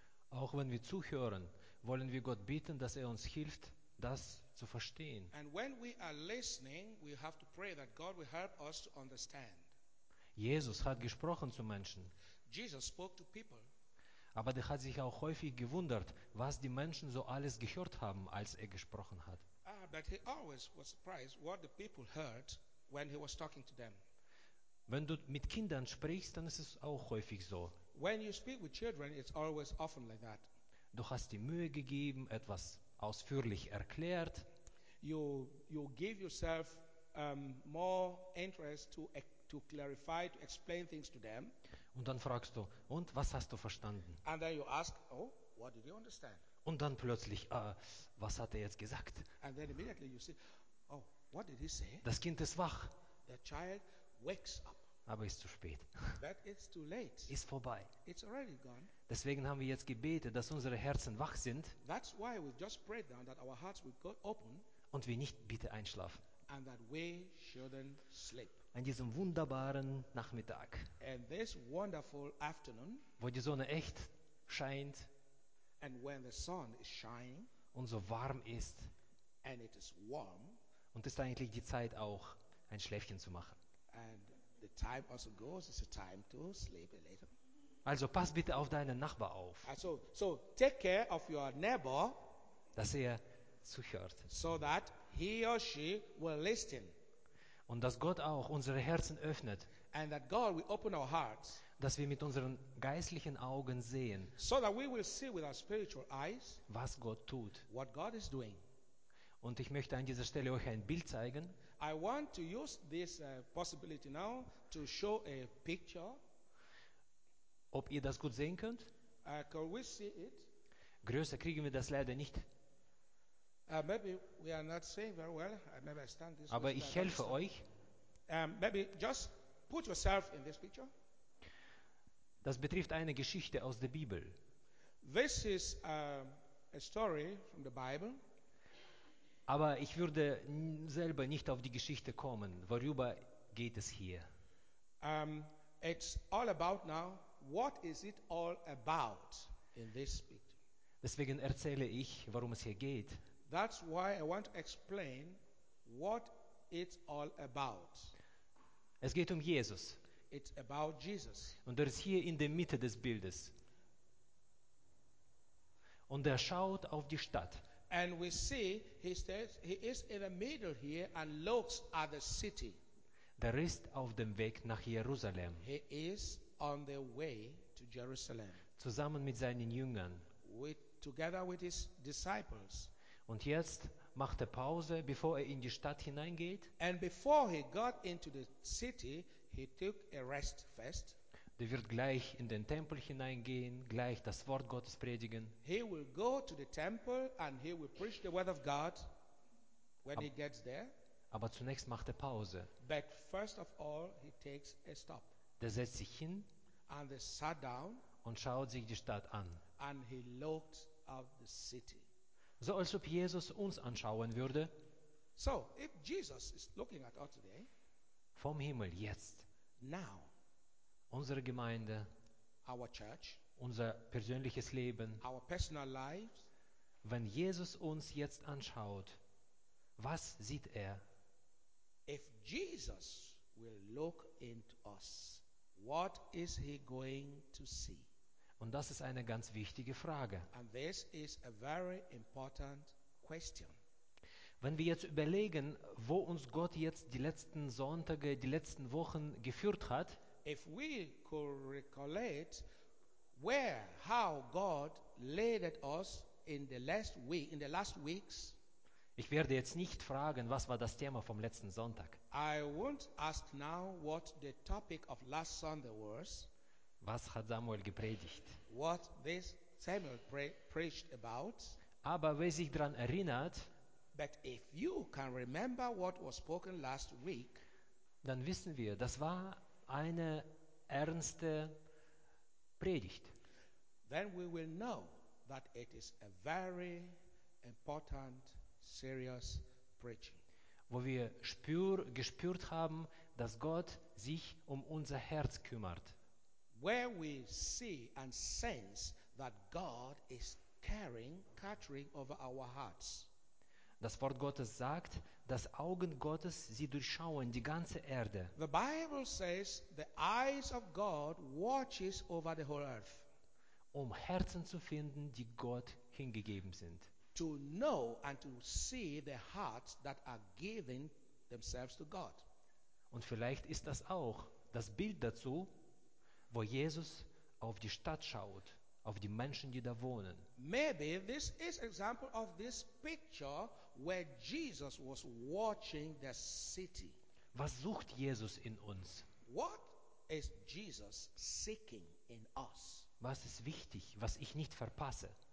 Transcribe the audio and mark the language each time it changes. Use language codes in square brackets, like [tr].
[de] Auch wenn wir zuhören, wollen wir Gott bitten, dass er uns hilft, das zu verstehen. [en] And when we are listening, we have to pray that God will help us to understand. [de] Jesus hat gesprochen zu Menschen. [en] Jesus spoke to people. [de] Aber der hat sich auch häufig gewundert, was die Menschen so alles gehört haben, als er gesprochen hat. [en] But he always was surprised what the people heard when he was talking to them. [de] Wenn du mit Kindern sprichst, dann ist es auch häufig so. [en] When you speak with children, it's always often like that. [de] Du hast die Mühe gegeben, etwas ausführlich erklärt. [en] You give yourself more interest to clarify, to explain things to them. [de] Und dann fragst du, und was hast du verstanden? [en] And then you ask, oh, what did you understand? [de] Und dann plötzlich, was hat er jetzt gesagt? [en] And then immediately you see, oh, what did he say? [de] Das Kind ist wach. [en] The child wakes up. [de] Aber ist zu spät. [en] That it's too late. [de] Ist vorbei. [en] It's already gone. [de] Deswegen haben wir jetzt gebetet, dass unsere Herzen wach sind. [en] That's why we just prayed down that our hearts will go open. [de] Und wir nicht bitte einschlafen. [en] And that we shouldn't sleep. [de] An diesem wunderbaren Nachmittag. [en] And this wonderful afternoon. [de] Wo die Sonne echt scheint. [en] And when the sun is shining. [de] Und so warm ist. [en] And it is warm. [de] Und ist eigentlich die Zeit auch, ein Schläfchen zu machen. [en] And the time also goes. It's a time to sleep a little. [de] Also pass bitte auf deinen Nachbar auf. [en] So take care of your neighbor. [de] Dass er zuhört. [en] So that he or she will listen. [de] Und dass Gott auch unsere Herzen öffnet. [en] And that God will open our hearts. [de] Dass wir mit unseren geistlichen Augen sehen. [en] So that we will see with our spiritual eyes. [de] Was Gott tut. [en] What God is doing. [de] Und ich möchte an dieser Stelle euch ein Bild zeigen. [en] I want to use this possibility now to show a picture. [de] Ob ihr das gut sehen könnt? [en] Can we see it? [de] Größer kriegen wir das leider nicht. [en] Maybe we are not seeing very well. Maybe I stand this. [de] Aber ich helfe euch. [en] Maybe just put yourself in this picture. [de] Das betrifft eine Geschichte aus der Bibel. [en] This is a story from the Bible. [de] Aber ich würde selber nicht auf die Geschichte kommen. Worüber geht es hier? [en] It's all about now. What is it all about in this picture? [de] Deswegen erzähle ich, worum es hier geht. [en] That's why I want to explain what it's all about. [de] Es geht um Jesus. [en] It's about Jesus. [de] Und er ist hier in der Mitte des Bildes. Und er schaut auf die Stadt. [en] And we see he says he is in the middle here and looks at the city. [de] Der ist auf dem Weg nach Jerusalem. [en] He is on the way to Jerusalem. [de] Zusammen mit seinen Jüngern. [en] Together with his disciples. [de] Und jetzt macht er Pause, bevor er in die Stadt hineingeht. [en] And before he got into the city, he took a rest first. [de] Der wird gleich in den Tempel hineingehen, gleich das Wort Gottes predigen. [en] He will go to the temple and he will preach the word of God when he gets there. [de] Aber zunächst macht er Pause. [en] But first of all, he takes a stop. [de] Der setzt sich hin [en] and they sat down [de] und schaut sich die Stadt an. [en] And he looked at the city. [de] So als ob Jesus uns anschauen würde. [en] So, if Jesus is looking at us today, [de] vom Himmel jetzt. [en] Now. [de] Unsere Gemeinde, [en] our church, [de] unser persönliches Leben, [en] our personal lives, [de] wenn Jesus uns jetzt anschaut, was sieht er? [en] If Jesus will look into us, what is he going to see? [de] Und das ist eine ganz wichtige Frage. [en] And this is a very important question. [de] Wenn wir jetzt überlegen, wo uns Gott jetzt die letzten Sonntage, die letzten Wochen geführt hat, [en] if we could recollect where, how God led us in the last week, in the last weeks. [de] Ich werde jetzt nicht fragen, was war das Thema vom letzten Sonntag. [en] I won't ask now what the topic of last Sunday was. [de] Was hat Samuel gepredigt? [en] What this Samuel preached about. [de] Aber wer sich daran erinnert, [en] but if you can remember what was spoken last week, [de] dann wissen wir, das war eine ernste Predigt. [en] Then we will know that it is a very important, serious preaching. [de] Wo wir gespürt haben, dass Gott sich um unser Herz kümmert. [en] Where we see and sense that God is caring over our hearts. [de] Das Wort Gottes sagt, dass Augen Gottes sie durchschauen, die ganze Erde. [en] The Bible says the eyes of God watches over the whole earth. [de] Um Herzen zu finden, die Gott hingegeben sind. [en] To know and to see the hearts that are giving themselves to God. [de] Und vielleicht ist das auch das Bild dazu, wo Jesus auf die Stadt schaut, auf die Menschen, die da wohnen. [en] Maybe this is an example of this picture where Jesus was watching the city. [de] Was sucht Jesus in uns? [en] What is Jesus seeking in us? [de] Was ist wichtig, was ich nicht verpasse?